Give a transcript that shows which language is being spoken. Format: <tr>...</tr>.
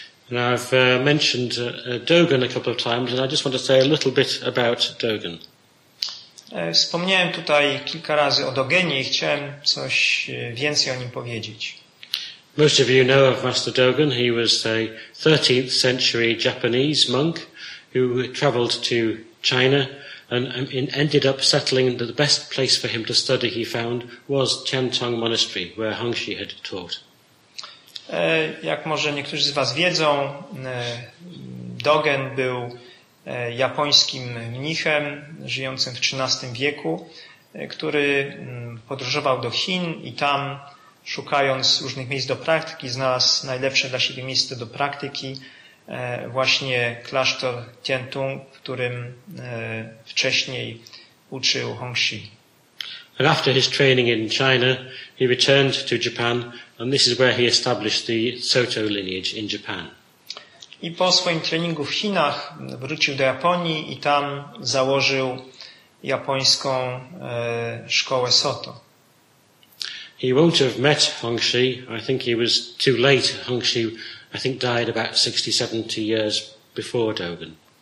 <en>Now I've mentioned Dogen a couple of times, and I just want to say a little bit about Dogen.</en> <pl>Wspomniałem tutaj kilka razy o Dogenie i chciałem coś więcej o nim powiedzieć.</pl> <en>Most of you know of Master Dogen. He was a 13th century Japanese monk who traveled to China and ended up settling that the best place for him to study he found was Tiantong Monastery, where Hongxi had taught.</en> <pl>Jak może niektórzy z was wiedzą, Dogen był japońskim mnichem żyjącym w XIII wieku, który podróżował do Chin i tam, szukając różnych miejsc do praktyki, znalazł najlepsze dla siebie miejsce do praktyki, właśnie klasztor Tiantong, w którym wcześniej uczył Hongxi.</pl> <en>And after his training in China, he returned to Japan, and this is where he established the Soto lineage in Japan.</en> <pl>I po swoim treningu w Chinach wrócił do Japonii i tam założył japońską szkołę Soto.</pl> <en>He won't have met Hongxi. I think he was too late. Hongxi I think died about 60-70 years before Dogen.</en>